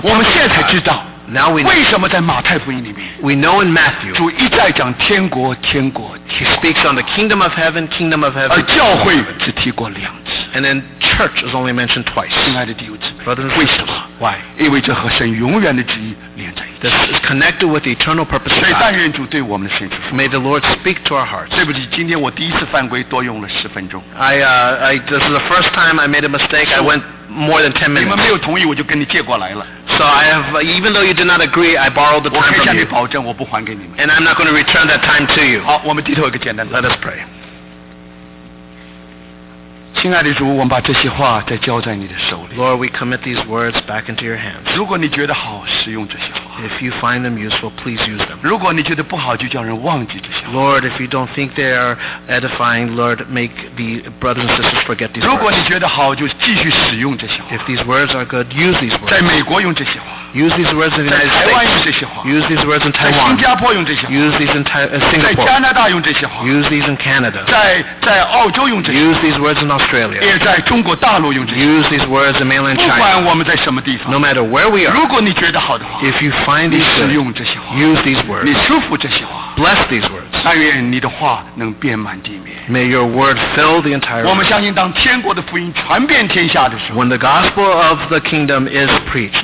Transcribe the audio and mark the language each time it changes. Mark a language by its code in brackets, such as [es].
[zh] purpose, 我们现在才知道。 [en] Now we know. [zh] 为什么在马太福音里面 [en] ？We know in Matthew. [zh] 主一再讲天国，天国。 [en] He speaks on the kingdom of heaven, kingdom of heaven. [zh] 而教会只提过两次。 [en] And then church is only mentioned twice. [zh] 亲爱的弟兄姊妹 [en] ，brothers, [zh] 为什么 [en] ？Why? [zh] 因为这和神永远的旨意连在一起。 [en] This is connected with the eternal purpose. [zh] 所以但愿主对我们的心说。 [en] May the Lord speak to our hearts. [zh] 对不起，今天我第一次犯规，多用了十分钟。 [en] I this is the first time I made a mistake. I went more than 10 minutes. [zh] 你们没有同意，我就跟你借过来了。 [en] So I have, even though you did not agree, I borrowed the time from you. [zh] 保证我不还给你们。 [en] And I'm not going to return that time to you. [zh] 好，我们低头一个简单。 [en] Let us pray. [zh] 亲爱的主，我们把这些话再交在你的手里。 [en] Lord, we commit these words back into your hands. [zh] 如果你觉得好，使用这些话。 [en] If you find them useful, please use them. [zh] 如果你觉得不好，就叫人忘记这些话。 [en] Lord, if you don't think they are edifying, Lord, make the brothers and sisters forget these words. [zh] 如果你觉得好，就继续使用这些话。 [en] If these words are good, use these words. [zh] 在美国用这些话。 [en] Use these words in the United States. [zh] 在台湾用这些话。 [en] Use these words in Taiwan. [zh] 在新加坡用这些话。 [en] Use these in Singapore. [zh] 在加拿大用这些话。 [en] Use these in Canada. [zh] 在澳洲用这些话。 [en] Use these words in Australia. [zh] 也在中国大陆用这些话。 [en] Use these words in mainland China. [zh] 不管我们在什么地方。 [en] No matter where we are. [zh] 如果你觉得好的话。 [en] If you find these words. [zh] 你使用这些话。 [en] Use these words. [zh] 你祝福这些话。 [en] Bless these words. [zh] 但愿你的话能遍满地面。 [en] May your word fill the entire. [zh] 我们相信，当天国的福音传遍天下的时候。 [en] When the gospel of the kingdom is preached.